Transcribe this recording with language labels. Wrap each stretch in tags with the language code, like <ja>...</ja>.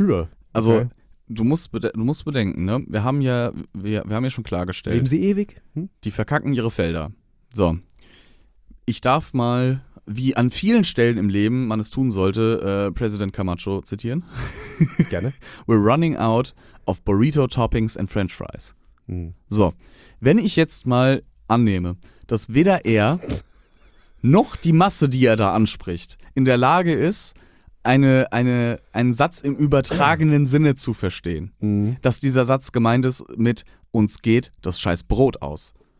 <de>Für. Also, okay. du musst bedenken, ne? Wir haben ja schon klargestellt. Leben sie ewig? Die verkacken ihre Felder. So. Ich darf mal, wie an vielen Stellen im Leben man es tun sollte, Präsident Camacho zitieren. Gerne.</de> <en>We're running out of burrito toppings and french fries.</en> <de>Hm. So. Wenn ich jetzt mal annehme, dass weder er. noch die Masse, die er da anspricht, in der Lage ist, einen Satz im übertragenen Sinne zu verstehen. Mhm. Dass dieser Satz gemeint ist mit, uns geht das scheiß Brot aus.</de>